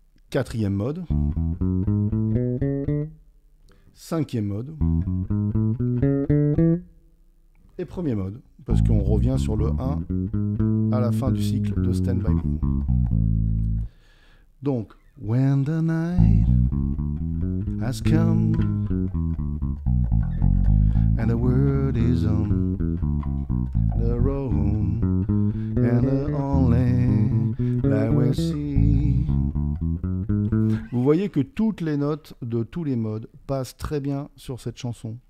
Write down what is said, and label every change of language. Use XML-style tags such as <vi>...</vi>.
<fr>Quatrième mode. Cinquième mode. Et premier mode, parce qu'on revient sur le 1 à la fin du cycle de Stand By Me.</fr> <en>Donc, when the night has come and the world is on the road and the only light we see.</en> <fr>Vous voyez que toutes les notes de tous les modes passent très bien sur cette chanson.</fr>